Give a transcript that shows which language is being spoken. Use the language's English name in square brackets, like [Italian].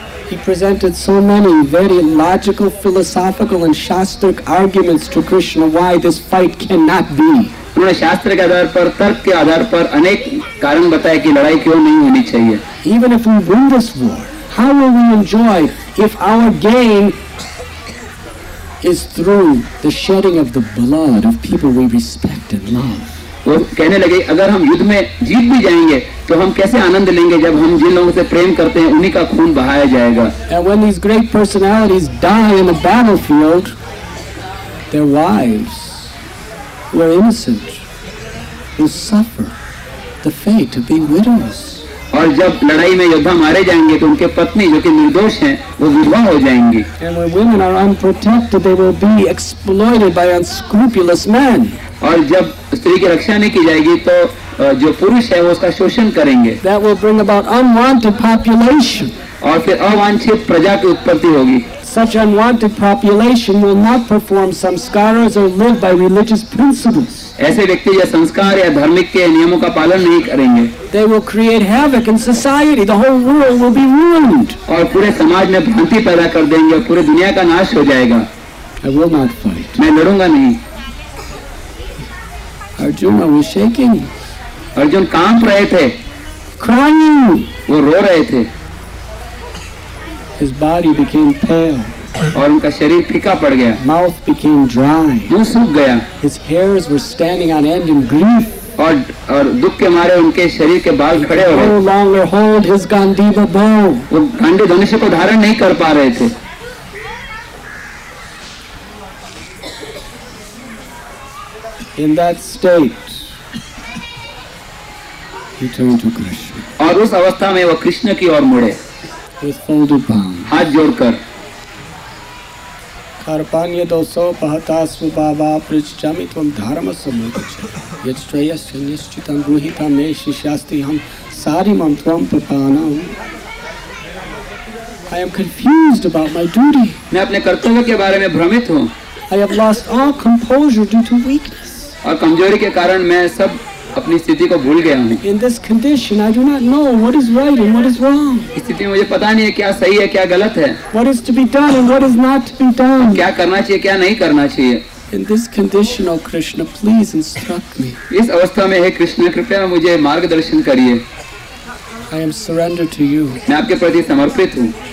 [English] He presented so many very logical, philosophical, and shastric arguments to Krishna why this fight cannot be. [Hindi] उन्होंने शास्त्र के आधार पर, तर्क के आधार पर अनेक कारण बताए कि लड़ाई क्यों नहीं होनी चाहिए. [English] Even if we win this war, how will we enjoy if our gain is through the shedding of the blood of people we respect and love? [Hindi] वो कहने लगे अगर हम युद्ध में जीत भी जाएंगे तो हम कैसे आनंद लेंगे जब हम जिन लोगों से प्रेम करते हैं उन्हीं का खून बहाया जाएगा. [English] And when these great personalities die in the battlefield, their wives, who are innocent, will suffer the fate of being widows. [Hindi] और जब लड़ाई में योद्धा मारे जाएंगे तो उनके पत्नी जो कि निर्दोष हैं वो विधवा हो जाएंगी. [English] And when women are unprotected, they will be exploited by unscrupulous men. [Hindi] और जब स्त्री की रक्षा नहीं की जाएगी तो जो पुरुष है वो उसका शोषण करेंगे. [English] That will bring about unwanted population. [Hindi] और फिर अवांछित प्रजा की उत्पत्ति होगी. [English] Such unwanted population will not perform samskaras or live by religious principles. [Hindi] ऐसे व्यक्ति या संस्कार या धार्मिक के नियमों का पालन नहीं करेंगे. [English] They will create havoc in society. The whole world will be ruined. [Hindi] और पूरे समाज में भ्रांति पैदा कर देंगे और पूरे दुनिया का नाश हो जाएगा. [English] I will not fight. [Hindi] मैं लड़ूंगा नहीं. [English] Arjuna was shaking. [Hindi] अर्जुन कांप रहे थे. [English] Crying. [Hindi] वो रो रहे थे. [English] His body became pale. [Hindi] और उनका शरीर फीका पड़ गया. [English] Mouth became dry. [Hindi] मुंह सूख गया. [English] His hairs were standing on end in grief. [Hindi] और दुख के मारे उनके शरीर के बाल खड़े हो रहे. [English] No longer hold his Gandiva bow. [Hindi] वो गांडीव धनुष को धारण नहीं कर पा रहे थे. [English] In that state, he turned to Krishna. [Hindi] और उस अवस्था में वो कृष्ण की ओर मुड़े. [English] With folded palms. [Hindi] हाथ जोड़कर. [Sanskrit] कार्पण्य दोषो पहतास्तु बाबा पृच्छामि त्वं धर्मसम्मुच्यते यत्श्रेयस्य निश्चितं गृहीतं मे शिष्यास्ति अहं सारिमं त्वं प्रपानम्. [English] I am confused about my duty. [Hindi] मैं अपने कर्तव्य के बारे में भ्रमित हूँ. [English] I have lost all composure due to weakness. [Hindi] और कमजोरी के कारण मैं सब अपनी स्थिति को भूल गया हूँ. [English] In this condition, I do not know what is right and what is wrong. [Hindi] स्थिति में मुझे पता नहीं है क्या सही है क्या गलत है. [English] What is to be done and what is not to be done. [Hindi] क्या करना चाहिए क्या नहीं करना चाहिए. [English] In this condition, O Krishna, please instruct me. [Hindi] इस अवस्था में है कृष्णा कृपया मुझे मार्गदर्शन करिए. [English] I am surrendered to you. [Hindi] मैं आपके प्रति समर्पित हूँ.